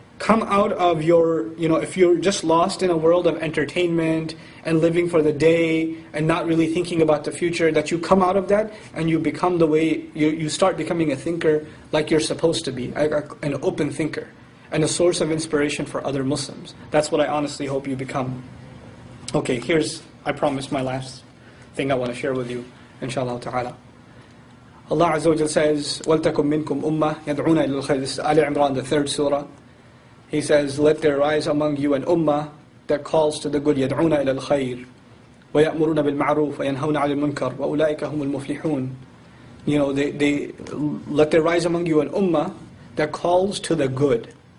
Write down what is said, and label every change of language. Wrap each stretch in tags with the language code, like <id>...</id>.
<en>come out of your, you know, if you're just lost in a world of entertainment and living for the day and not really thinking about the future, that you come out of that and you become the way, you start becoming a thinker like you're supposed to be, an open thinker and a source of inspiration for other Muslims. That's what I honestly hope you become. Okay, I promise, my last thing I want to share with you, inshallah ta'ala. Allah Azza wa Jalla says,</en> <ar>وَلْتَكُمْ مِنْكُمْ أُمَّةٌ يَدْعُونَ إِلَى الْخَيْرِ.</ar> <en>This is Ali Imran, the third surah. He says, let there rise among you an ummah that calls to the good.</en> <ar>يَدْعُونَ إِلَى الْخَيْرِ وَيَأْمُرُونَ بِالْمَعْرُوفِ وَيَنْهَوْنَ عَلِى الْمُنْكَرِ وَأُولَٰئِكَ هُمُ الْمُفْلِحُونَ.</ar> <en>You know, they let there rise among you an ummah that calls to the good.</en>